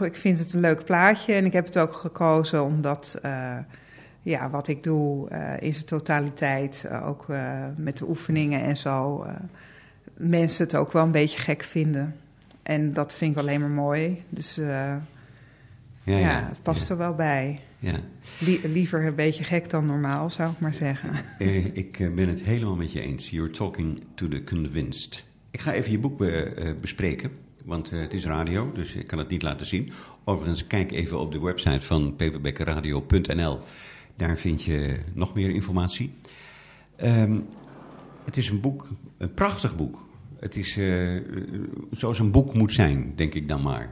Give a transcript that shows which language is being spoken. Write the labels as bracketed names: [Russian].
[Dutch] Ik vind het een leuk plaatje. En ik heb het ook gekozen omdat wat ik doe in zijn totaliteit, ook met de oefeningen en zo, mensen het ook wel een beetje gek vinden. En dat vind ik alleen maar mooi. Dus het past er wel bij. Ja. Liever een beetje gek dan normaal, zou ik maar zeggen. Ik ben het helemaal met je eens. [English] You're talking to the convinced. [Dutch] Ik ga even je boek bespreken, want het is radio, dus ik kan het niet laten zien. Overigens, kijk even op de website van peperbekkenradio.nl. Daar vind je nog meer informatie. Het is een boek, een prachtig boek. Het is zoals een boek moet zijn, denk ik dan maar.